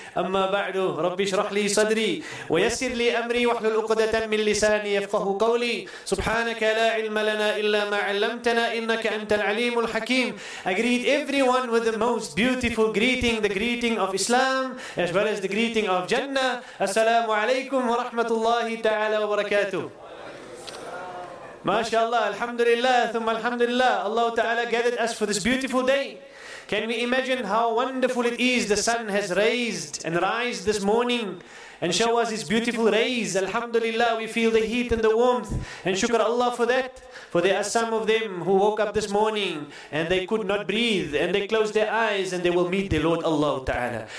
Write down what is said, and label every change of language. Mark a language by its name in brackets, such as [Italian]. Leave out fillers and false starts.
[Arabic] Amma ba'du, rabbi shrah لي صدري ويسر لي أمري واحلل عقدة من لساني يفقه قولي. سبحانك لا علم لنا إلا ما علمتنا إنك أنت العليم الحكيم. [English] I greet everyone with the most beautiful greeting, the greeting of Islam as well as the greeting of Jannah. [Arabic] السلام عليكم ورحمة الله تعالى وبركاته. ما شاء الله الحمد لله ثم الحمد لله. [English] الله تعالى gathered us for this beautiful day. Can we imagine how wonderful it is the sun has raised and rise this morning and show us its beautiful rays? Alhamdulillah, we feel the heat and the warmth, and shukr Allah for that. For there are some of them who woke up this morning and they could not breathe and they closed their eyes and they will meet their Lord Allah Ta'ala.